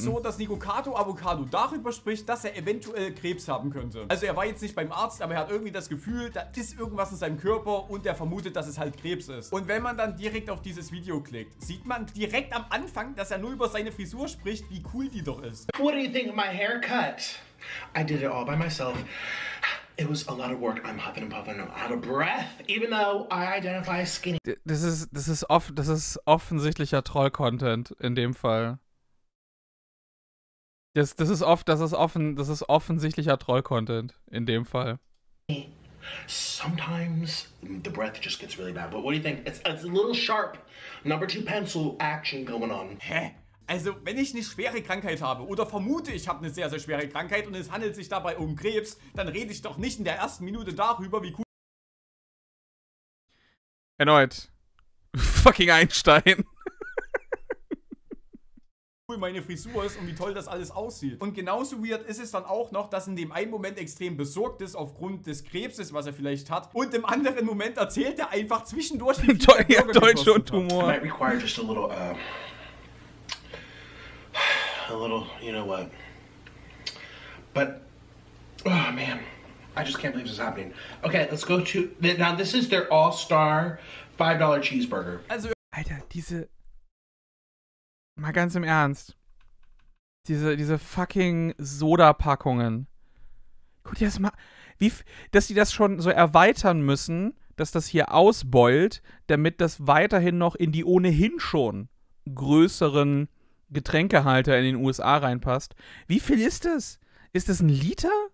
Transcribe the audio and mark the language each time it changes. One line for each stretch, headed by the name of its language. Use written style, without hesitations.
German: So, dass Nikocado Avocado darüber spricht, dass er eventuell Krebs haben könnte. Also er war jetzt nicht beim Arzt, aber er hat irgendwie das Gefühl, da ist irgendwas in seinem Körper und er vermutet, dass es halt Krebs ist. Und wenn man dann direkt auf dieses Video klickt, sieht man direkt am Anfang, dass er nur über seine Frisur spricht, wie cool die doch ist.
English: What do you think of my haircut? I did it all by myself. It was a lot of work. I'm huffing and puffing. I'm out of breath, even though I identify as skinny.
German: Das ist offensichtlicher Troll-Content in dem Fall. Das ist offensichtlicher Troll-Content in dem Fall.
English: Sometimes the breath just gets really bad. But what do you think? It's a little sharp. Number two pencil action going on. Hä?
German: Also, wenn ich eine schwere Krankheit habe oder vermute, ich habe eine sehr, sehr schwere Krankheit und es handelt sich dabei um Krebs, dann rede ich doch nicht in der ersten Minute darüber, wie cool... Erneut. Fucking Einstein. ...cool meine Frisur ist und wie toll das alles aussieht. Und genauso weird ist es dann auch noch, dass in dem einen Moment extrem besorgt ist aufgrund des Krebses, was er vielleicht hat, und im anderen Moment erzählt er einfach zwischendurch... Deutsch und Tumor.
English: Might require just a little, a little, you know what, but, oh man, I just can't believe this is happening. Okay, let's go to, now this is their all-star $5 cheeseburger.
German: Also, Alter, diese, mal ganz im Ernst, diese fucking Soda-Packungen, guck dir das mal, wie, dass die das schon so erweitern müssen, dass das hier ausbeult, damit das weiterhin noch in die ohnehin schon größeren Getränkehalter in den USA reinpasst. Wie viel ist das? Ist das ein Liter?